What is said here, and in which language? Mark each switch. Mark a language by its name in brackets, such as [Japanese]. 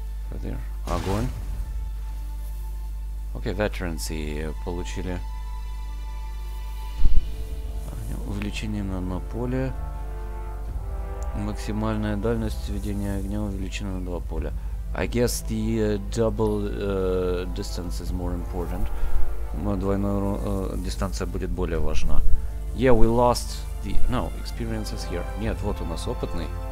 [English] Right there. [Russian] Огонь. Окей, veterans и получили. Увеличение на поле. Максимальная дальность ведения огня увеличена на два поля. [English] I guess the double distance is more important. [Russian] Двойная дистанция будет более важна. [English] Yeah, we lost the... No, experience is here. [Russian] Нет, вот у нас опытный.